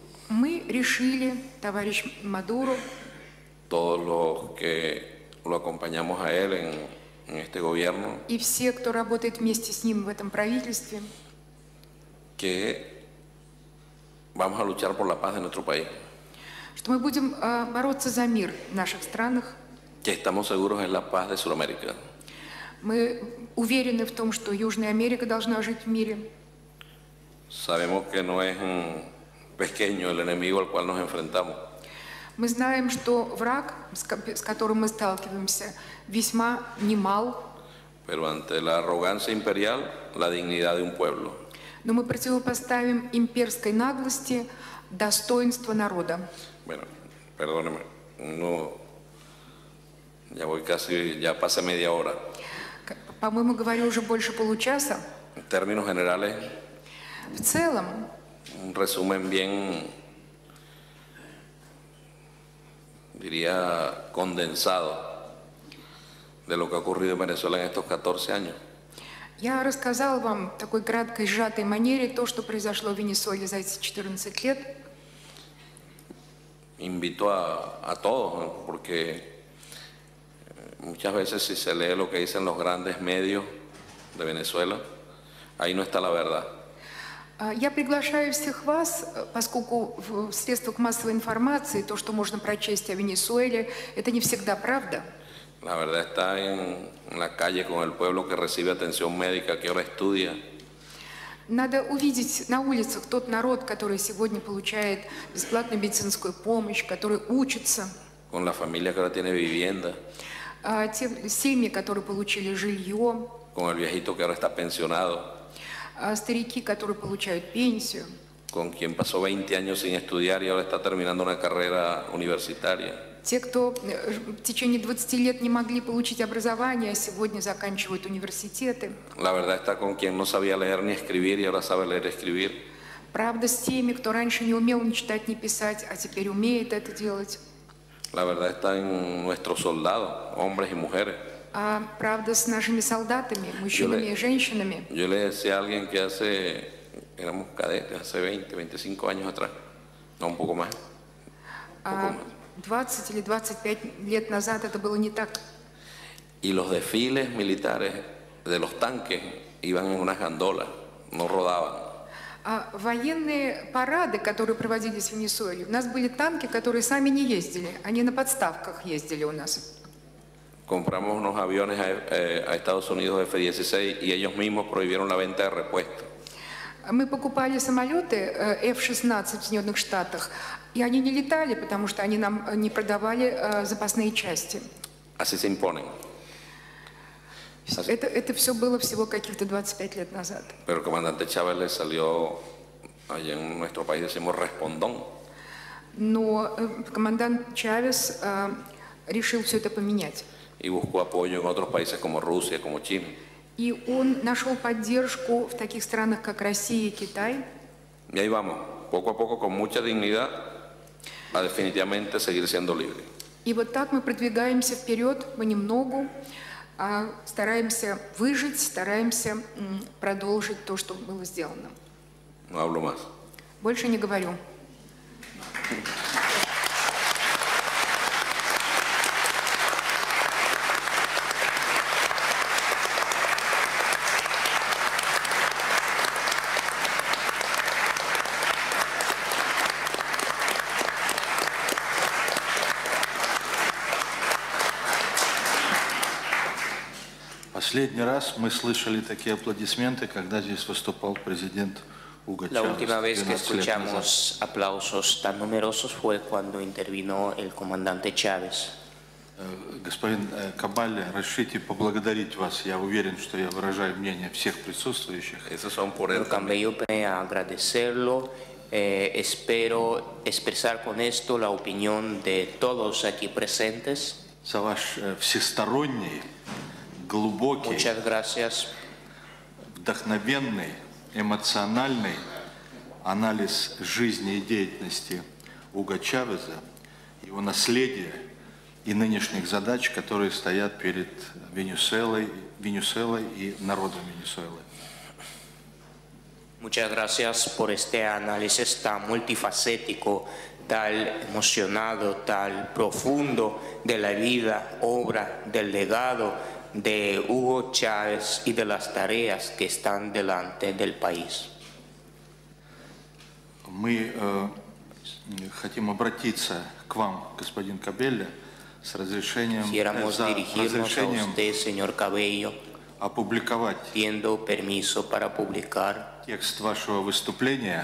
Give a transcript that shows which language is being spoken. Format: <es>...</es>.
<ru>Мы решили, товарищ Мадуро,</ru> <es>todos los que lo acompañamos a él en este gobierno,</es> <ru>и все, кто работает вместе с ним в этом правительстве,</ru> <es>que vamos a luchar por la paz de nuestro país.</es> <ru>Что мы будем бороться за мир в наших странах.</ru> <es>Que estamos seguros en la paz de Sudamérica.</es> <ru>Мы уверены в том, что Южная Америка должна жить в мире.</ru> <es>Sabemos que no es pequeño el enemigo al cual nos enfrentamos.</es> <ru>Мы знаем, что враг, с которым мы сталкиваемся, весьма немал.</ru> <es>Pero ante la arrogancia imperial, la dignidad de un pueblo.</es> <ru>Но мы противопоставим имперской наглости достоинство народа.</ru> <es>Bueno, perdóneme, no, ya voy casi, ya pasé media hora.</es> <ru>По-моему, говорю уже больше получаса.</ru> <es>En términos generales.</es> <ru>В целом.</ru> <es>Un resumen bien, diría, condensado de lo que ha ocurrido en Venezuela en estos 14 años.</es> <ru>Я рассказал вам в такой краткой, сжатой манере то, что произошло в Венесуэле за эти 14 лет.</ru> <es>Invito a todos, porque muchas veces si se lee lo que dicen los grandes medios de Venezuela, ahí no está la verdad.</es> <ru>Я приглашаю всех вас, поскольку в средствах массовой информации то, что можно прочесть о Венесуэле, это не всегда правда.</ru> <es>La verdad está en la calle con el pueblo que recibe atención médica, que ahora estudia.</es> <ru>Надо увидеть на улицах тот народ, который сегодня получает бесплатную медицинскую помощь, который учится.</ru> <es>con la familia que ahora tiene vivienda.</es> <ru>Семьи, которые получили жилье.</ru> <es>Con el viejito que ahora está pensionado.</es> <ru>Старики, которые получают пенсию.</ru> <es>Con quien pasó 20 años sin estudiar y ahora está terminando una carrera universitaria.</es> <ru>Те, кто в течение 20 лет не могли получить образование, а сегодня заканчивают университеты.</ru> <es>La verdad está con quien no sabía leer</es> <ru>ни</ru> <es>escribir y ahora sabe leer y escribir.</es> <ru>Правда с теми, кто раньше не умел ни читать, ни писать, а теперь умеет это делать.</ru> <es>La verdad está en nuestros soldados, hombres y mujeres.</es> <ru>А правда с нашими солдатами, мужчинами и женщинами.</ru> <es>Yo le decía a alguien que hace, éramos cadetes hace 20, 25 años atrás, no un poco más, un poco más.</es> <ru>20 или 25 лет назад это было не так. И</ru> <es>los desfiles militares de los tanques iban en unas gandolas, no rodaban.</es> <ru>Военные парады, которые проводились в Венесуэле, у нас были танки, которые сами не ездили, они на подставках ездили у нас.</ru> <es>Compramos unos aviones a Estados Unidos F-16 y ellos mismos prohibieron la venta de repuestos.</es> <ru>Мы покупали самолеты F-16 в Соединенных Штатах, и они не летали, потому что они нам не продавали запасные части.</ru> <es>Así se imponen. Así.</es> <ru>Это все было всего каких-то 25 лет назад.</ru> <es>Pero el comandante Chávez le salió allá en nuestro país, decimos, respondón.</es> <ru>Но командант Чавес решил все это поменять.</ru> <es>Y buscó apoyo en otros países como Rusia, como China.</es> <ru>И он нашел поддержку в таких странах, как Россия и Китай.</ru> <es>Y ahí vamos, poco a poco, con mucha dignidad, a definitivamente seguir siendo libre.</es> <ru>И вот так мы продвигаемся вперед, понемногу, стараемся выжить, стараемся продолжить то, что было сделано.</ru> <es>No hablo más.</es> <ru>Больше не говорю. Последний раз мы слышали такие аплодисменты, когда здесь выступал президент Уго Чавес.</ru> <es>La última vez que escuchamos aplausos tan numerosos fue cuando intervino el comandante Chávez.</es> <ru>Господин Кабале, разрешите поблагодарить вас. Я уверен, что я выражаю мнение всех присутствующих.</ru> <es>Esos son por él. Permítame agradecerlo. Espero expresar con esto la opinión de todos aquí presentes.</es> <ru>За ваш всесторонний, глубокий,</ru> <es>muchas gracias.</es> <ru>Вдохновенный, эмоциональный анализ жизни и деятельности Уго Чавеса, его наследия и нынешних задач, которые стоят перед Венесуэлой и народом Венесуэлы.</ru> <es>Muchas gracias por este análisis tan multifacético, tan emocionado, tan profundo de la vida, obra, del legado de Hugo Chávez y de las tareas que están delante del país.</es> <ru>Мы хотим обратиться к вам, господин Кабелле, с разрешением,</ru> <es>señor Cabello,</es> <ru>опубликовать,</ru> <es>pidiendo permiso para publicar,</es> <ru>текст вашего выступления,</ru>